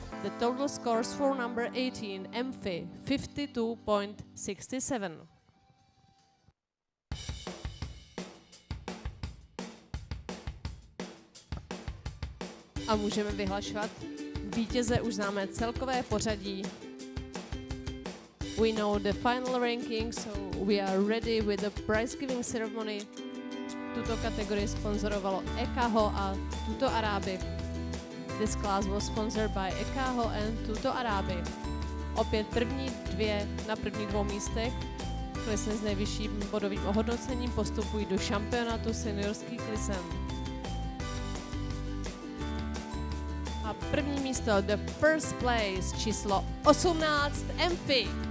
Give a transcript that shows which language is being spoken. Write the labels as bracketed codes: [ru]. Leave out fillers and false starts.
[en] The total scores for number 18, Amphi, 52.67. [cs] A můžeme vyhlašovat vítěze, už známe celkové pořadí. [en] We know the final ranking, so we are ready with the prize giving ceremony. [cs] Tuto kategorii sponzorovalo Ekaho a Tuto Arabi. [en] This class was sponsored by Ekaho and Tuto Arabi. [cs] Opět první dvě na prvních dvou místech. Klisny s nejvyšším bodovým ohodnocením postupují do šampionátu seniorských klisen. A první místo, [en] the first place, [cs] číslo 18, Amphi.